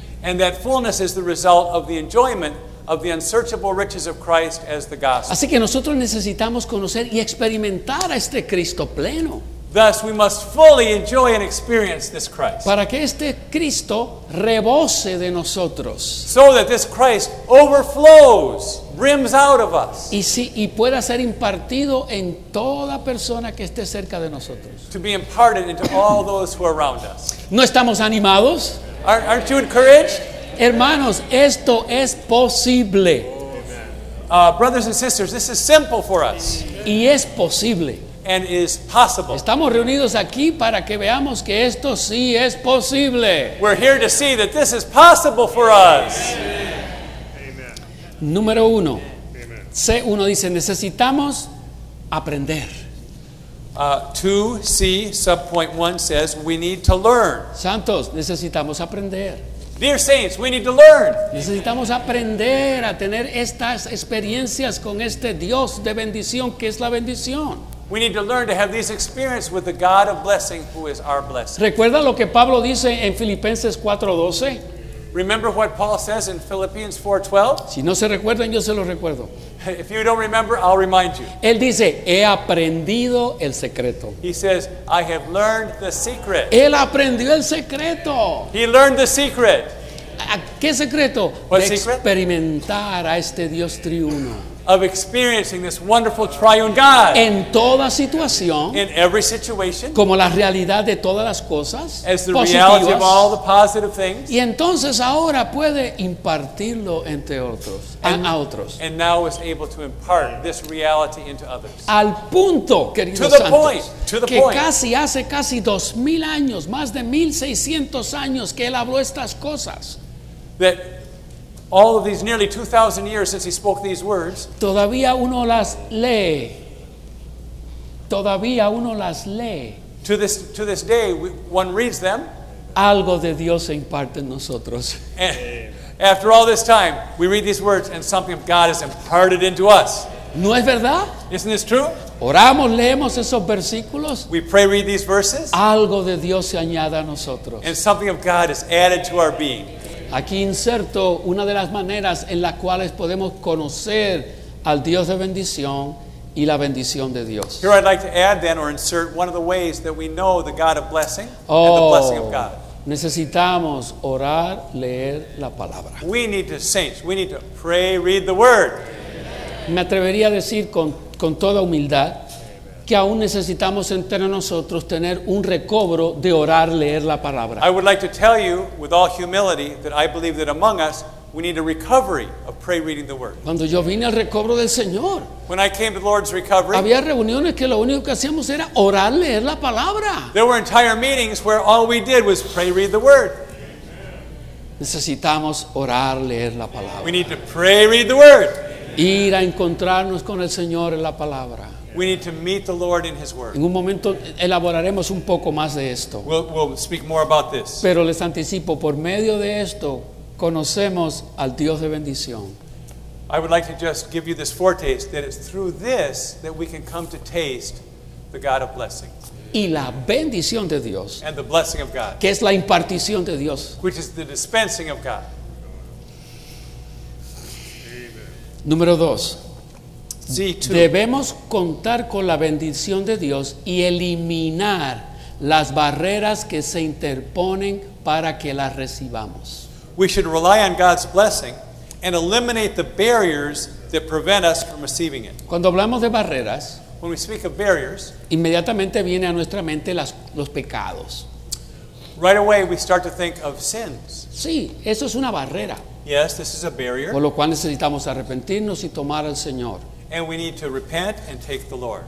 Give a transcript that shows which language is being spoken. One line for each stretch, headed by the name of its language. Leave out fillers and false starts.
English: And that fullness is the result of the enjoyment of the unsearchable riches of Christ as the gospel.
Spanish: Así que nosotros necesitamos conocer y experimentar a este Cristo pleno.
English: Thus, we must fully enjoy and experience this Christ.
Spanish: Para que este Cristo rebose de nosotros.
English: So that this Christ overflows, brims out of us.
Spanish: Y pueda ser impartido en toda persona que esté cerca de nosotros.
English: To be imparted into all those who are around us.
Spanish: ¿No estamos animados?
English: Aren't you encouraged?
Spanish: Hermanos, esto es posible.
English: Brothers and sisters, this is simple for us.
Spanish: Y es posible.
English: And is possible.
Spanish: Estamos reunidos aquí para que veamos que esto sí es posible.
English: We're here to see that this is possible for us.
Spanish: Amen. Número uno. Amen. C1 dice, necesitamos aprender.
English: 2C, subpoint 1 says, we need to learn.
Spanish: Santos, necesitamos aprender.
English: Dear saints, we need to learn.
Spanish: Necesitamos aprender a tener estas experiencias con este Dios de bendición que es la bendición.
English: We need to learn to have these experiences with the God of blessing who is our blessing.
Spanish: ¿Recuerda lo que Pablo dice en Filipenses 4:12?
English: Remember what Paul says in Philippians 4:12?
Spanish: Si no se recuerdan, yo se lo recuerdo.
English: If you don't remember, I'll remind you.
Spanish: Él dice, he aprendido el secreto.
English: He says, I have learned the secret.
Spanish: Él aprendió el secreto.
English: He learned the secret.
Spanish: ¿A qué secreto?
English: What
Spanish: de
English: secret?
Spanish: Experimentar a este Dios triuno.
English: of experiencing this wonderful triune God.
Spanish: En toda situación,
English: in every situation,
Spanish: como la realidad de todas las cosas,
English: as the reality of all the positive things.
Spanish: Y entonces ahora puede impartirlo entre otros,
English: and,
Spanish: a otros.
English: And now is able to impart this reality into others.
Spanish: Al punto, queridos
English: to the santos, point, to the
Spanish: que
English: point.
Spanish: Casi hace casi 2000 años, más de 1600 años que él habló estas cosas.
English: That all of these nearly 2,000 years since he spoke these words.
Spanish: Todavía uno las lee. Todavía uno las lee.
English: To this day, one reads them.
Spanish: Algo de Dios se imparte en nosotros.
English: After all this time, we read these words, and something of God is imparted into us.
Spanish: ¿No es verdad?
English: Isn't this true?
Spanish: Oramos, leemos esos versículos.
English: We pray, read these verses.
Spanish: Algo de Dios se añade a nosotros.
English: And something of God is added to our being.
Spanish: Aquí inserto una de las maneras en las cuales podemos conocer al Dios de bendición y la bendición de Dios.
English: Here I'd like to add then or insert one of the ways that we know the God of blessing and the blessing of God.
Spanish: Necesitamos orar, leer la palabra.
English: We need to saints. We need to pray, read the word.
Spanish: Me atrevería a decir con toda humildad que aún necesitamos entre nosotros tener un recobro de orar, leer la palabra.
English: I would like to tell you with all humility that I believe that among us we need a recovery of pray reading the word.
Spanish: Cuando yo vine al recobro del Señor,
English: when I came to the Lord's recovery,
Spanish: había reuniones que lo único que hacíamos era orar, leer la palabra.
English: There were entire meetings where all we did was pray read the word.
Spanish: Necesitamos orar, leer la palabra.
English: We need to pray read the word.
Spanish: Ir a encontrarnos con el Señor en la palabra.
English: We need to meet the Lord in His Word.
Spanish: En un momento elaboraremos un poco más de esto.
English: We'll speak more about this.
Spanish: Pero les anticipo, por medio de esto, conocemos al Dios de bendición.
English: I would like to just give you this foretaste, that it's through this that we can come to taste the God of blessing.
Spanish: Y la bendición de Dios.
English: And the blessing of God.
Spanish: Que es la impartición de Dios.
English: Which is the dispensing of God.
Spanish: Amen. Número dos. Sí, debemos contar con la bendición de Dios y eliminar las barreras que se interponen para que las recibamos.
English: We should rely on God's blessing and eliminate the barriers that prevent us from receiving it.
Spanish: Cuando hablamos de barreras,
English: when we speak of barriers,
Spanish: inmediatamente viene a nuestra mente los pecados.
English: Right away we start to think of sins.
Spanish: Sí, eso es una barrera.
English: Yes, this is a barrier.
Spanish: Por lo cual necesitamos arrepentirnos y tomar al Señor.
English: And we need to repent and take the Lord.